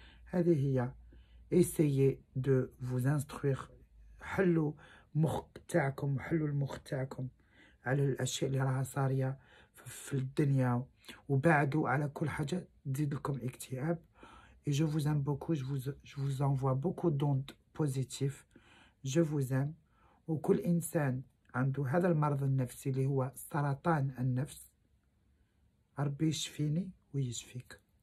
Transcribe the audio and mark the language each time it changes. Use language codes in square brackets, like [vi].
[ar] هذه هي [fr] essayez de vous instruire، [ar] حلوا مخ تاعكم، حلوا المخ تاعكم على الأشياء اللي راها صارية في الدنيا، وبعدوا على كل حاجة تزيد لكم اكتئاب. [fr] Et je vous aime beaucoup, je vous envoie beaucoup d'ondes positives. Je vous aime. [ar] وكل إنسان عنده هذا المرض النفسي اللي هو سرطان النفس، ربي يشفيني ويشفيك.